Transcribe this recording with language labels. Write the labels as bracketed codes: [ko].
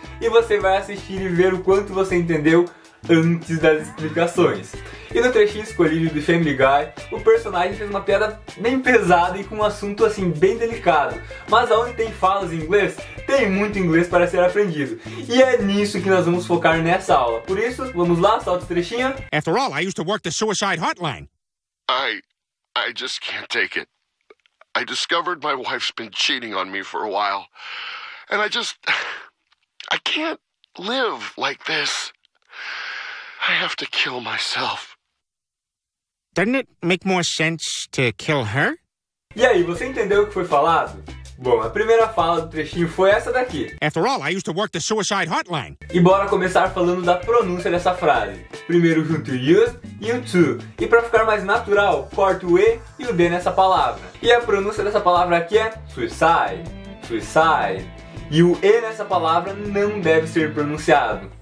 [pt] E você vai assistir e ver o quanto você entendeu antes das explicações. E no trechinho escolhido de Family Guy, o personagem fez uma piada bem pesada e com um assunto assim bem delicado. Mas aonde tem falas em inglês, tem muito inglês para ser aprendido. E é nisso que nós vamos focar nessa aula. Por isso, vamos lá, solta o trechinho. [en] After all, I used to work the suicide hotline. I just can't take it. I discovered my wife's been cheating on me for a while. And I can't live like this. I have to kill myself. Doesn't it make more sense to kill her? [pt] E aí, você entendeu o que foi falado? Bom, a primeira fala do trechinho foi essa daqui. [en] After all, I used to work the suicide hotline. [pt] E bora começar falando da pronúncia dessa frase. Primeiro junto o used e o to. E pra ficar mais natural, corta o E e o D nessa palavra. E a pronúncia dessa palavra aqui é suicide, suicide. E o E nessa palavra não deve ser pronunciado.